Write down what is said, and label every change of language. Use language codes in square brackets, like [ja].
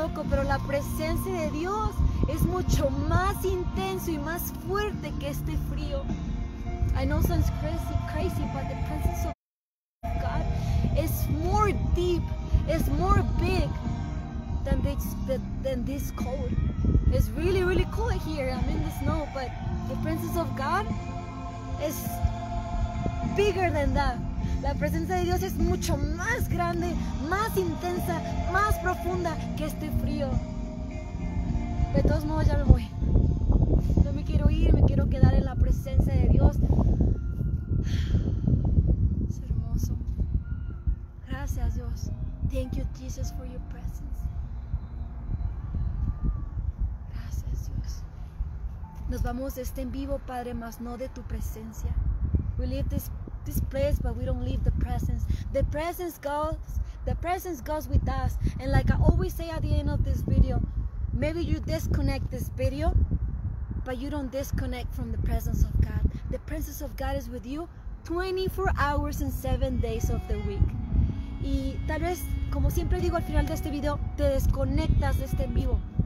[es] Pero la presencia de Dios es mucho más intenso y más fuerte que este frío. [en] I know it sounds crazy, but the presence of God is more deep, is more big than this cold. It's really, really cold here. I'm in the snow, but the presence of God is bigger than that. [es] La presencia de Dios es mucho más grande, más intensa, más profunda que este frío. De todos modos ya me voy. No me quiero ir, me quiero quedar en la presencia de Dios. Es hermoso. Gracias Dios. [en] Thank you Jesus for your presence. [es] Gracias Dios. Nos vamos de este en vivo, Padre, mas no de tu presencia. [en] We leave this place, but we don't leave the presence. The presence goes with us. And like I always say at the end of this video, maybe you disconnect this video, but you don't disconnect from the presence of God. The presence of God is with you 24 hours and 7 days of the week. [es] Y tal vez, como siempre digo al final de este video, te desconectas de este en vivo.